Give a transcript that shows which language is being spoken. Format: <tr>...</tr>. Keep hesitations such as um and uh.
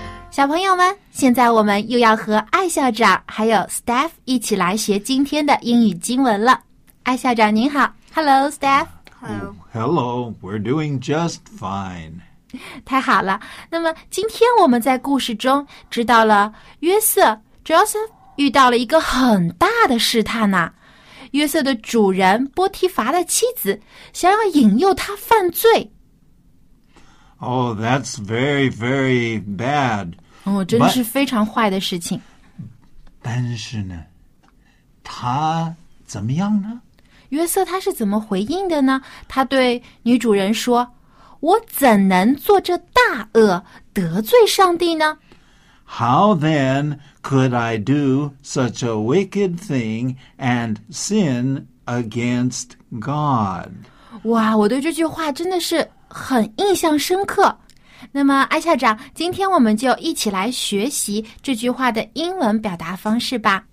<zh>小朋友们，现在我们又要和艾校长还有 Staff 一起来学今天的英语经文了。艾校长您好，Hello Staff。</zh> <en>Hello，Hello，We're doing just fine.</en> <zh>太好了。那么今天我们在故事中知道了约瑟 Joseph 遇到了一个很大的试探呐。约瑟的主人波提乏的妻子想要引诱他犯罪。</zh> <en>Oh, that's very, very bad.</en> <zh>哦，真的是非常坏的事情。But, 但是呢，他怎么样呢？约瑟他是怎么回应的呢？他对女主人说。我怎能做这大恶得罪上帝呢</zh> <en>？How then could I do such a wicked thing and sin against God？</en> <zh>哇，我对这句话真的是很印象深刻。那么，艾校长，今天我们就一起来学习这句话的英文表达方式吧。</zh>